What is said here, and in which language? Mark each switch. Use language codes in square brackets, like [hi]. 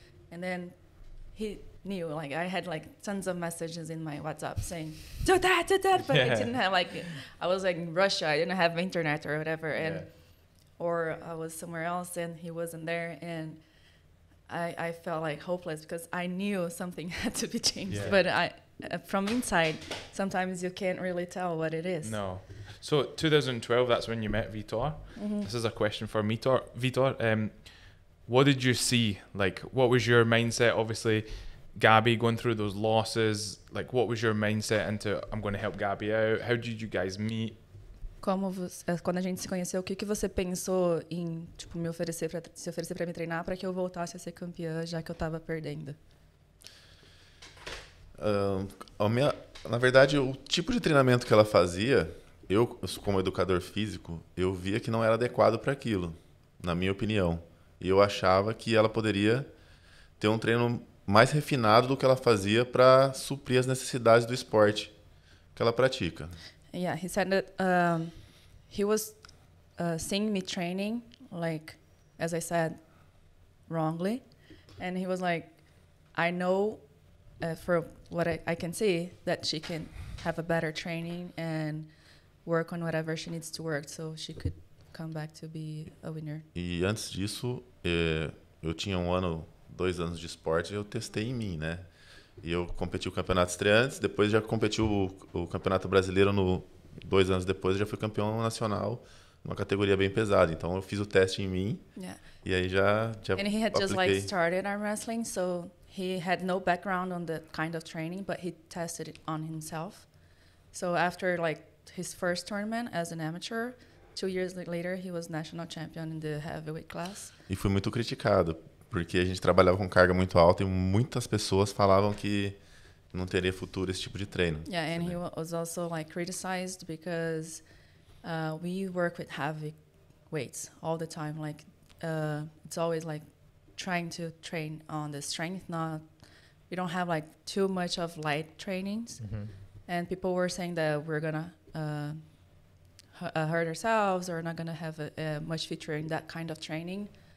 [en] And then he knew, like I had like tons of messages in my WhatsApp saying, do that, but I didn't have like, I was like in Russia, I didn't have internet or whatever, and or I was somewhere else and he wasn't there, and I felt like hopeless because I knew something had to be changed, but I, from inside, sometimes you can't really tell what it is. No. So 2012, that's when you met Vitor. Mm-hmm. This is a question for Vitor, what did you see? Like, what was your mindset? Obviously, Gabi going through those losses. Like, what was your mindset into, I'm going to help Gabi out? How did you guys meet? [pt] Como você, quando a gente se conheceu, o que que você pensou em, tipo, me oferecer para se oferecer para me treinar para que eu voltasse a ser campeã, já que eu estava perdendo? Na verdade, o tipo de treinamento que ela fazia, eu, como educador físico, eu via que não era adequado para aquilo, na minha opinião. E eu achava que ela poderia ter um treino mais refinado do que ela fazia para suprir as necessidades do esporte que ela pratica. [en] Yeah, he said that he was seeing me training, like, as I said, wrongly. And he was like, I know, for what I can see, that she can have a better training and work on whatever she needs to work so she could come back to be a winner. [pt] E antes disso, eu tinha um ano, dois anos de esporte, eu testei em mim, né? E eu competi o campeonato estreantes, depois já competi o campeonato brasileiro, no dois anos depois, já fui campeão nacional uma categoria bem pesada. Então eu fiz o teste em mim. [en] Yeah. [pt] E aí já [en] And he had just like started arm wrestling, so he had no background on the kind of training, but he tested it on himself. So after like his first tournament as an amateur, 2 years later he was national champion in the heavyweight class. [pt] E foi muito criticado, porque a gente trabalhava com carga muito alta e muitas pessoas falavam que não teria futuro esse tipo de treino. [en] Yeah, and he was also like criticized because we work with heavy weights all the time. Like it's always like trying to train on the strength. We don't have like too much of light trainings, mm-hmm. and people were saying that we're gonna hurt ourselves or not gonna have a much future in that kind of training.